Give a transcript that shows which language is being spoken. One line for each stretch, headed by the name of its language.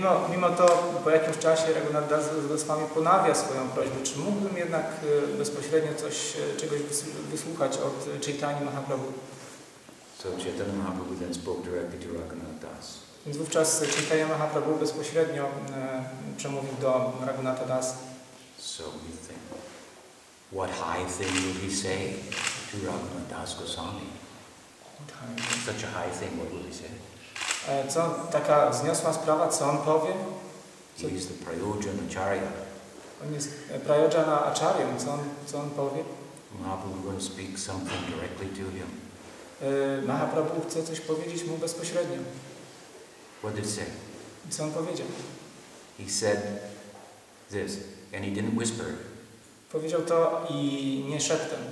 Polish: Mimo to, po jakimś czasie Raghunath Das z Goswami ponawia swoją prośbę. Czy mógłbym jednak bezpośrednio czegoś wysłuchać od Chaitanya Mahaprabhu?
English: So Chaitanya Mahaprabhu then spoke directly to Raghunath Das.
Polish: Więc wówczas Chaitanya Mahaprabhu bezpośrednio przemówił do Raghunatha Das.
English: So you think, what high thing would he say to Raghunath Das Goswami? Such a high thing, what would he say?
Polish: Co taka wzniosła sprawa, co on powie? Co?
English: He is the Prayojana Acharya.
Polish: On jest Prayojana Acharya, co on powie?
English: Mahaprabhu will speak something directly to him.
Polish: Mahaprabhu chce coś powiedzieć mu bezpośrednio.
English: What did he say?
Polish: Co on powiedział?
English: He said this, and he didn't whisper.
Polish: Powiedział to i nie szeptem.